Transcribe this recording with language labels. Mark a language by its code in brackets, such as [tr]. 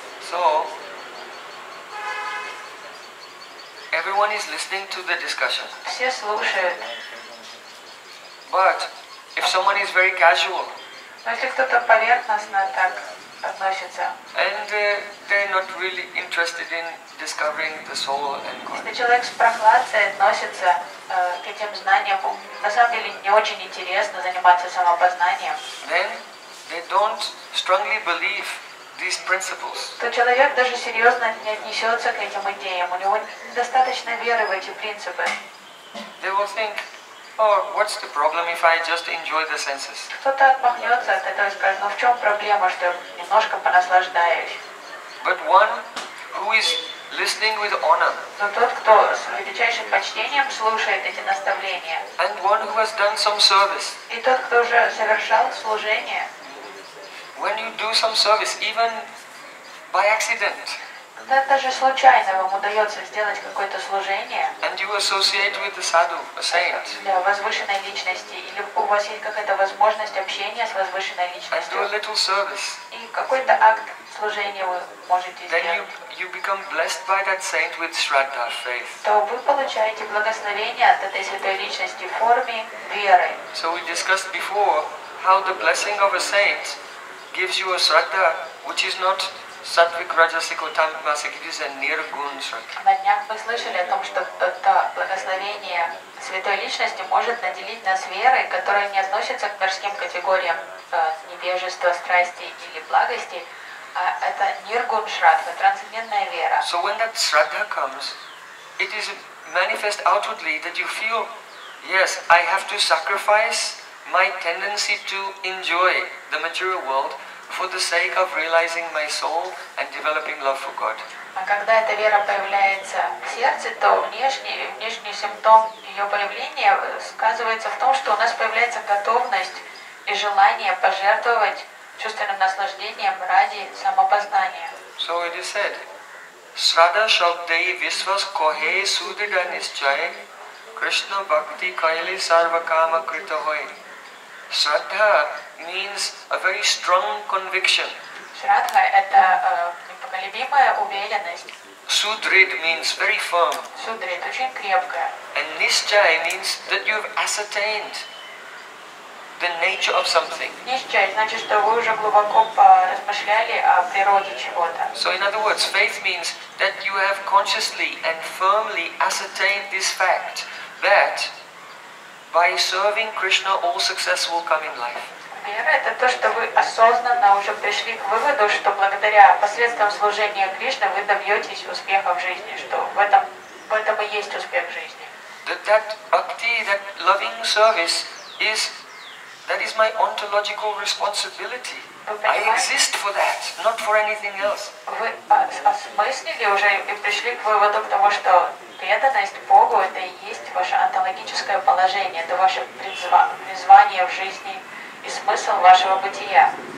[en] So, everyone is listening to the discussion. [ru] Все слушают. [en] But if someone is very casual, [ru] если кто-то поверхностно так относится. [en] And they're not really interested in discovering the soul and God. [ru] Если человек с прохладцей относится к этим знаниям, на самом деле не очень интересно заниматься самопознанием. [en] Then they don't strongly believe these principles. [ru] То человек даже серьезно не отнесется к этим идеям, у него недостаточно веры в эти принципы. [en] They will think, or what's the problem if I just enjoy the senses? [ru] Кто-то отмахнется от этого и скажет, ну в чем проблема, что немножко понаслаждаюсь? [en] But one who is listening with honor. [ru] Но тот, кто с величайшим почтением слушает эти наставления. [en] And one who has done some service. [ru] И тот, кто уже совершал служение. [en] When you do some service, even by accident. [ru] Когда даже случайно вам удается сделать какое-то служение. [en] And you associate with the sadhu, a saint. [ru] Для возвышенной личности. Или у вас есть какая-то возможность общения с возвышенной личностью. [en] And do a little service. [ru] И какой-то акт служения вы можете [en] then [ru] сделать. [en] Then you become blessed by that saint with sraddha, faith. [ru] То вы получаете благословение от этой святой личности в форме веры. [en] So we discussed before how the blessing of a saint gives you a sraddha, which is not sattvic, rajasic, or tamasic, it is a nirguna sraddha. [ru] На днях мы слышали о том, что это благословение святой личности может наделить нас верой, которая не относится к мирским категориям невежества, страсти или благости, а это ниргун шраддха, трансцендентная вера. [en] So when that sraddha comes, it is manifest outwardly that you feel, yes, I have to sacrifice my tendency to enjoy the material world for the sake of realizing my soul and developing love for God. [ru] А когда эта вера появляется в сердце, то внешний симптом ее появления сказывается в том, что у нас появляется готовность и желание пожертвовать чувственным наслаждением ради самопознания. [en] So it is said, [sa] Sraddha shabdai visvas kohe sudida nischaye Krishna bhakti kaili sarva kama krita hoy. [en] Sraddha means a very strong conviction. [ru] Sraddha – это непоколебимая уверенность. [en] Sudrid means very firm. [ru] Sudrid – очень крепкая. [en] And nischaya means that you've ascertained the nature of something. [ru] Nischaya – значит, что вы уже глубоко размышляли о природе чего-то. [en] So in other words, faith means that you have consciously and firmly ascertained this fact that by serving Krishna, all success will come in life. [ru] Вера – это то, что вы осознанно уже пришли к выводу, что благодаря посредством служения Кришне вы добьетесь успеха в жизни, что в этом и есть успех в жизни. [en] That bhakti, that loving service is, that is my ontological responsibility. I exist for that, not for anything else. [ru] Вы осмыслили уже и пришли к выводу к тому, что преданность Богу – это и есть ваше онтологическое положение, это ваше призвание в жизни и смысл вашего бытия.